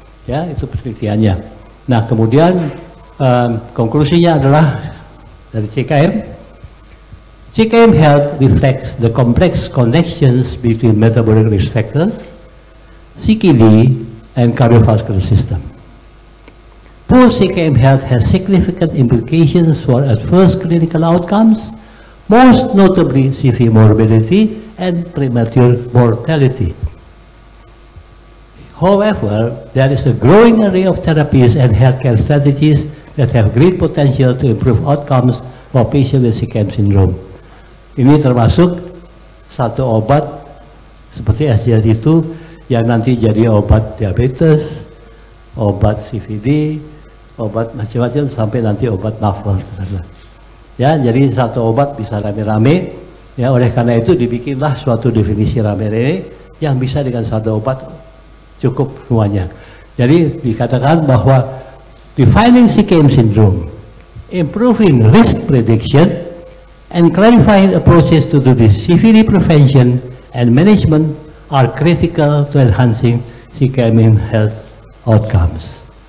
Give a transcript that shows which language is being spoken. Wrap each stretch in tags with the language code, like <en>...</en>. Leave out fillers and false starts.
<id>Ya, itu penelitiannya. Nah, kemudian konklusinya adalah dari CKM.</id> <en>CKM health reflects the complex connections between metabolic risk factors, CKD, and cardiovascular system. Poor CKM health has significant implications for adverse clinical outcomes, most notably CV morbidity and premature mortality. However, there is a growing array of therapies and healthcare strategies that have great potential to improve outcomes for patients with CKM syndrome.</en> <id>Ini termasuk satu obat seperti SGLT2 yang nanti jadi obat diabetes, obat CVD, obat macam-macam sampai nanti obat NAFL. Ya, jadi satu obat bisa rame-rame. Ya, oleh karena itu dibikinlah suatu definisi rame-rame yang bisa dengan satu obat cukup semuanya. Jadi dikatakan bahwa</id> <en>defining CKM syndrome, improving risk prediction, and clarifying approaches to do this CVD prevention and management are critical to enhancing CKM health outcomes.</en>